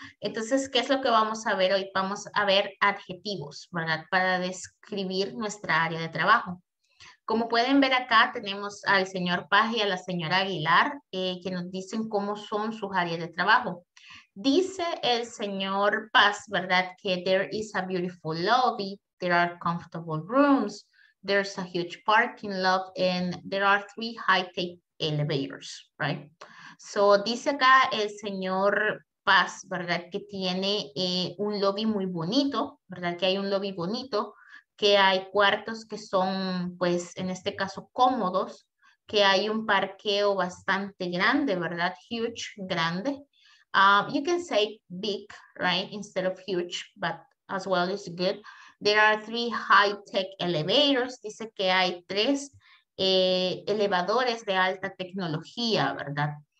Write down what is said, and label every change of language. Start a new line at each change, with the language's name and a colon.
Spanish: Entonces, ¿qué es lo que vamos a ver hoy? Vamos a ver adjetivos, ¿verdad? Para describir nuestra área de trabajo. Como pueden ver acá, tenemos al señor Paz y a la señora Aguilar, que nos dicen cómo son sus áreas de trabajo. Dice el señor Paz, ¿verdad?
English: Que there is a beautiful lobby, there are comfortable rooms, there's a huge parking lot, and there are 3 high-tech elevators, right?
Spanish: So, dice acá el señor Paz, ¿verdad? Que tiene un lobby muy bonito, ¿verdad? Que hay un lobby bonito, que hay cuartos que son, pues, en este caso, cómodos, que hay un parqueo bastante grande, ¿verdad?
English: Huge, grande. You can say big, right? Instead of huge, but as well is good. There are 3 high-tech elevators.
Spanish: Dice que hay 3 elevadores de alta tecnología, ¿verdad?